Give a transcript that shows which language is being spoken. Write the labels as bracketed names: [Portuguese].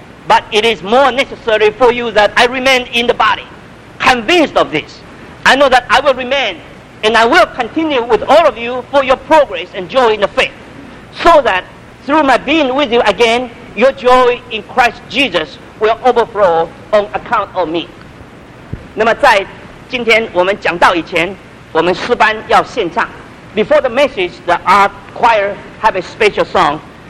[English] But it is more necessary for you that I remain in the body. Convinced of this, I know that I will remain and I will continue with all of you for your progress and joy in the faith, so that through my being with you again, your joy in Christ Jesus will overflow on account of me. [Chinese] 那么在今天我们讲道以前，我们诗班要献唱。 [English] Before the message, the art choir have a special song.